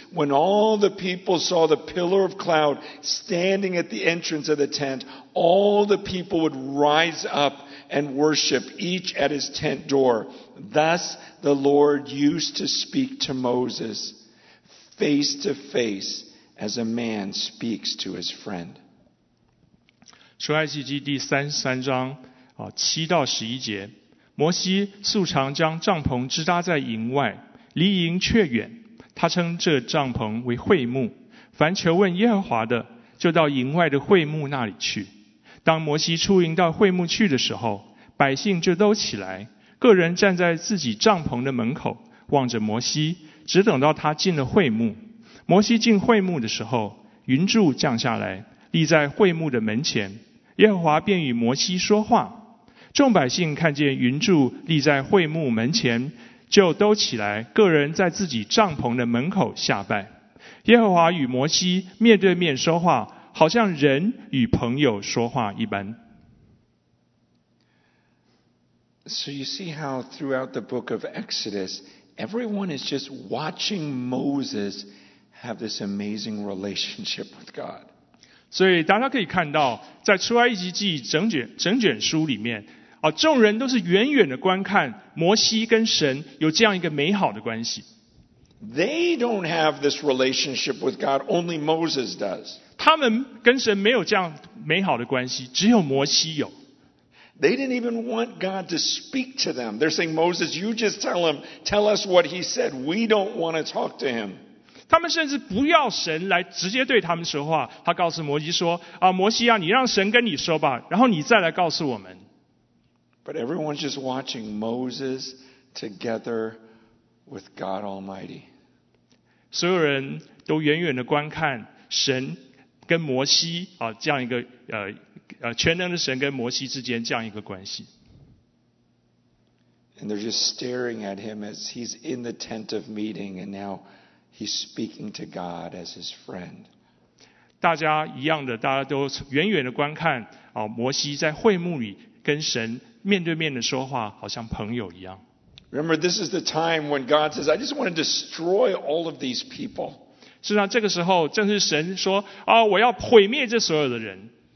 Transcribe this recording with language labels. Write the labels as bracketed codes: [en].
[en] When all the people saw the pillar of cloud standing at the entrance of the tent, all the people would rise up and worship, each at his tent door. Thus the Lord used to speak to Moses face to face as a man speaks to his friend. [zh] 出埃及记第33章7到11节，摩西素常将帐篷支搭在营外，离营却远，他称这帐篷为会幕，凡求问耶和华的就到营外的会幕那里去。当摩西出营到会幕去的时候，百姓就都起来，个人站在自己帐篷的门口望着摩西，只等到他进了会幕。摩西进会幕的时候，云柱降下来立在会幕的门前，耶和华便与摩西说话。众百姓看见云柱立在会幕门前，就都起来，个人在自己帐篷的门口下拜。耶和华与摩西面对面说话，好像人与朋友说话一般。 [en] So you see how throughout the book of Exodus, everyone is just watching Moses have this amazing relationship with God. [zh] 所以大家可以看到，在出埃及记整卷书里面，众人都是远远的观看摩西跟神有这样一个美好的关系。 [en] They don't have this relationship with God, only Moses does. [zh] 他们跟神没有这样美好的关系，只有摩西有。 [en] They didn't even want God to speak to them. They're saying, Moses, you just tell him, tell us what he said. We don't want to talk to him. [zh] 他们甚至不要神来直接对他们说话。他告诉摩西说，摩西啊，你让神跟你说吧，然后你再来告诉我们。 [en] But everyone's just watching Moses together with God Almighty. [zh] 所有人都远远的观看神跟摩西这样一个全能的神跟摩西之间这样一个关系。 [en] And they're just staring at him as he's in the tent of meeting, and now he's speaking to God as his friend. [zh] 大家一样的，大家都远远的观看摩西在会幕里跟神面对面的说话，好像朋友一样。 [en] Remember, this is the time when God says, "I just want to destroy all of these people." [zh] 事实上，这个时候正是神说我要毁灭这所有的人。